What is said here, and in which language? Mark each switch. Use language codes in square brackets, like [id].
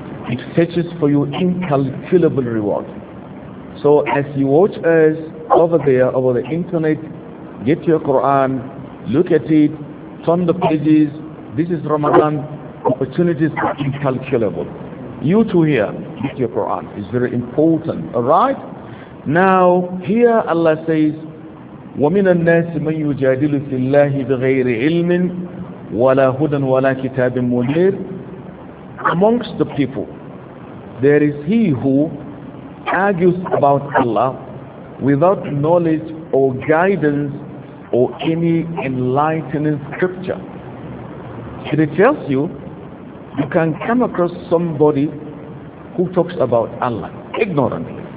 [en] It fetches for you incalculable reward. So as you watch us over there, over the internet, get your Quran, look at it, turn the pages. This is Ramadan. Opportunities are incalculable. You too here, get your Quran. It's very important. Alright? Now, here Allah says, [ar] وَمِنَ النَّاسِ مَنْ يُجَادِلُ فِي اللَّهِ بِغَيْرِ عِلْمٍ وَلَا هُدًى وَلَا كِتَابٍ مُنِيرٍ. [en] Amongst the people, there is he who argues about Allah without knowledge or guidance or any enlightening scripture. And it tells you, you can come across somebody who talks about Allah ignorantly.